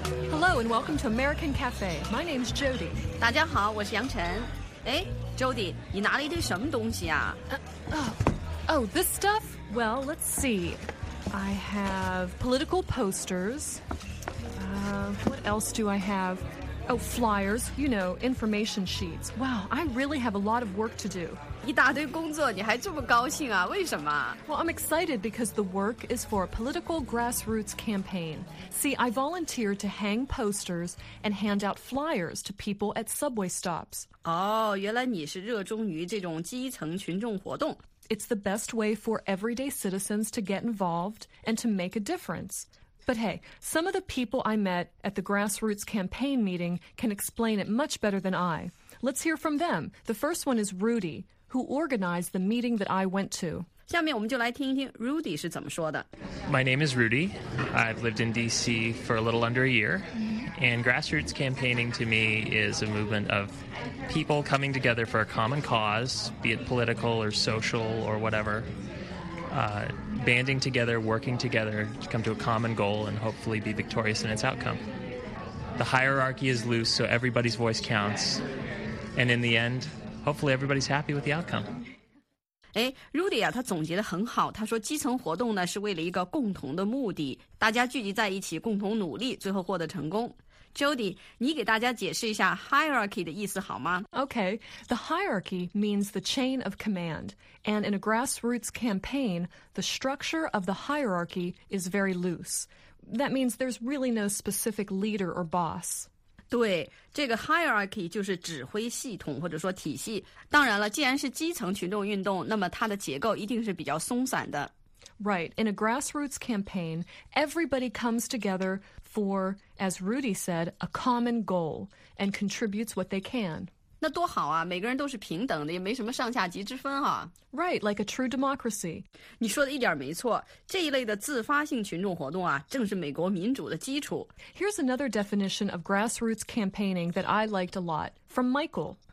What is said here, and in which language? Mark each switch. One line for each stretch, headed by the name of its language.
English: Hello and welcome to American Cafe. My name's Jody.
Chinese: 大家好，我是杨晨。哎 ，Jody， 你拿了一堆什么东西啊
English: ？Oh, this stuff. Well, let's see. I have political posters. What else do I have? Oh, flyers. You know, information sheets. Wow, I really have a lot of work to do.
Chinese: 一大堆工作，你还这么高兴啊？为什么
English: ？Well, I'm excited because the work is for a political grassroots campaign. See, I volunteer to hang posters and hand out flyers to people at subway stops.
Chinese: 哦，原来你是热衷于这种基层群众活动。
English: It's the best way for everyday citizens to get involved and to make a difference. But hey, some of the people I met at the grassroots campaign meeting can explain it much better than I. Let's hear from them. The first one is Rudy, who organized the meeting that I went to.
Chinese: 下面我们就来听一听 Rudy 是怎么说的。
English: My name is Rudy. I've lived in D.C. for a little under a year. And grassroots campaigning to me is a movement of people coming together for a common cause, be it political or social or whatever, banding together, working together to come to a common goal and hopefully be victorious in its outcome. The hierarchy is loose, so everybody's voice counts. And in the end, hopefully everybody's happy with the outcome.
Chinese: 哎 ，Rudy 啊，他总结得很好。他说，基层活动呢是为了一个共同的目的，大家聚集在一起，共同努力，最后获得成功。 Jody， 你给大家解释一下 hierarchy 的意思好吗
English: ？Okay, the hierarchy means the chain of command, and in a grassroots campaign, the structure of the hierarchy is very loose. That means there's really no specific leader or boss.
Chinese: 对，这个 hierarchy 就是指挥系统或者说体系。当然了，既然是基层群众运动，那么它的结构一定是比较松散的。
English: Right, in a grassroots campaign, everybody comes together for, as Rudy said, a common goal and contributes what they can.
Chinese: 那多好啊，每个人都是平等的，也没什么上下级之分啊。
English: Right, like a true democracy.
Chinese: 你说的一点没错，这一类的自发性群众活动啊，正是美国民主的基础。
English: Here's another definition of grassroots campaigning that I liked a lot, from Michael.